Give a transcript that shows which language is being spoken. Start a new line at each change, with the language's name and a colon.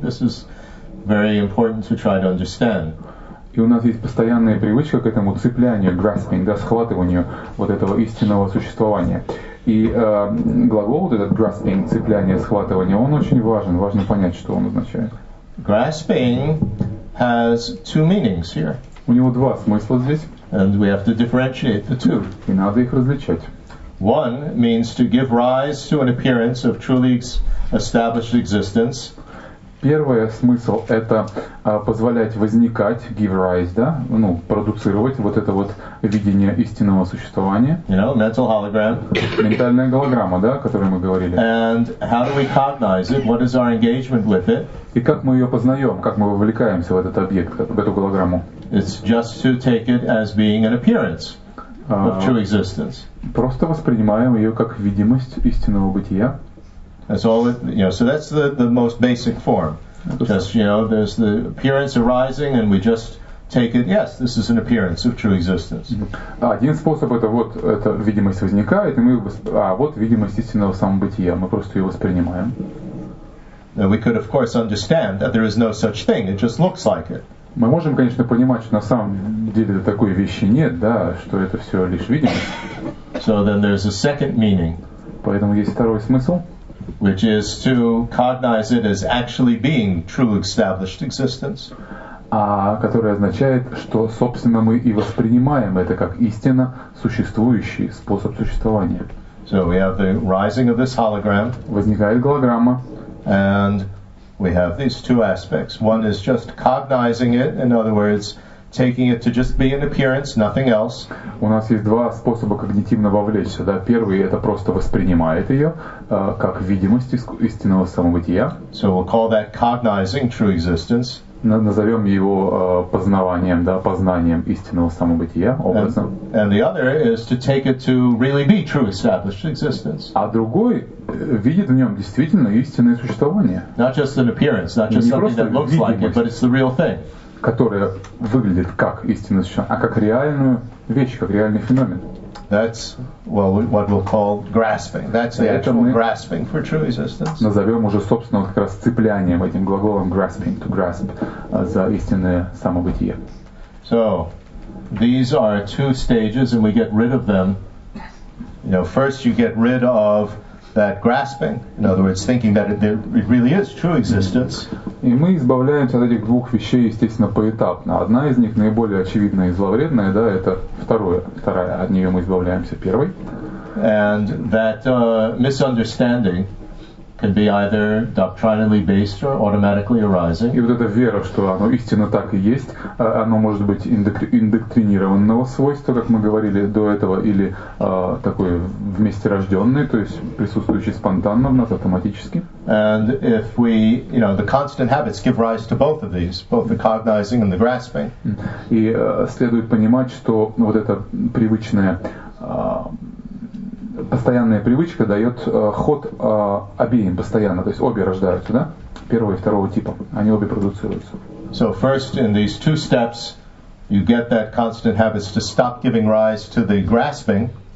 English: This is very important to try to understand.
Russian: И у нас есть постоянная привычка к этому цеплянию, grasping, да, схватыванию вот этого истинного существования. И глагол вот этот grasping, цепляние, схватывание, он очень важен. Важно понять, что он означает.
English: Grasping has two meanings here.
Russian: У него два смысла здесь.
English: And we have to differentiate the two.
Russian: И надо их различать.
English: One means to give rise to an appearance of truly established existence.
Russian: Первый смысл — это позволять возникать,
English: give rise,
Russian: да, ну, продуцировать вот это вот видение истинного существования.
English: You know, mental hologram.
Russian: Ментальная голограмма, да, о которой мы говорили.
English: And how do we cognize it? What is our engagement with it?
Russian: И как мы ее познаем, как мы вовлекаемся в этот объект, в эту голограмму?
English: It's just to take it as being an appearance of true existence.
Russian: Просто воспринимаем ее как видимость истинного бытия.
English: That's all it, you know, so that's the most basic form. Just, you know, there's the appearance arising and we just take it, yes, this is an appearance of true existence.
Russian: Один способ это вот это видимость возникает, и мы вот видимость истинного самобытия. Мы просто ее воспринимаем.
English: Now we could of course understand that there is no such thing, it just looks like it.
Russian: Мы можем, конечно, понимать, что на самом деле такой вещи нет, да, что это все лишь видимость.
English: So then there's a second meaning.
Russian: Поэтому есть второй смысл.
English: Which is to cognize it as actually being true established existence.
Russian: Которое означает, что, собственно, мы и воспринимаем это как истинно существующий способ существования.
English: So we have the rising of this hologram.
Russian: Возникает голограмма.
English: And we have these two aspects. One is just cognizing it, in other words, taking it to just be an appearance, nothing else.
Russian: У нас есть два способа когнитивно вовлечься, да? Первый это просто воспринимает ее как видимость истинного самобытия.
English: So we'll call that cognizing true existence.
Russian: Назовем его познаванием, да, познанием истинного самобытия, образом.
English: And the other is to take it to really be true established existence.
Russian: А другой видит в нем действительно истинное существование.
English: Not just an appearance, not just something that looks like it, but it's the real thing.
Russian: Которая выглядит как истинное существование, а как реальную вещь, как реальный феномен.
English: That's well, what we'll call grasping. That's the actual grasping for true existence.
Russian: Назовем уже, собственно, как раз цеплянием этим глаголом grasping,
English: to grasp,
Russian: за истинное самобытие.
English: So, these are two stages, and we get rid of them. You know, first you get rid of that grasping, in other words, thinking that it really is true existence.
Russian: И мы избавляемся от этих двух вещей, естественно, поэтапно. Одна из них наиболее очевидная и зловредная, да, это второе, вторая, от нее мы избавляемся первой.
English: And that misunderstanding can be either doctrinally based or automatically arising.
Russian: И вот эта вера, что оно истинно так и есть, оно может быть индоктринированного свойства, как мы говорили до этого, или такой вместе рожденный, то есть присутствующий спонтанно в нас автоматически.
English: And if we, you know, the constant habits give rise to both of these, both the cognizing and the grasping.
Russian: И следует понимать, что вот это привычное постоянная привычка дает ход обеим постоянно, то есть обе рождаются, да? Первого и второго типа, они обе продуцируются.
English: So first in these two steps you get that constant habits to stop giving rise to the grasping.